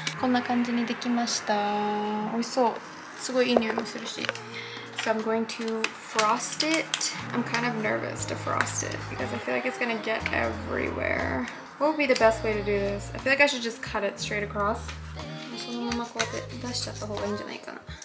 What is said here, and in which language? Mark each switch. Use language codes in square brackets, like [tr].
[ja] こんな感じにできました。美味しそう。すごいいい匂いもするし。 [en] So I'm going to frost it. I'm kind of nervous to frost it because I feel like it's gonna get everywhere. What would be the best way to do this? I feel like I should just cut it straight across. [ja] そのままこうやって出しちゃった方がいいんじゃないかな。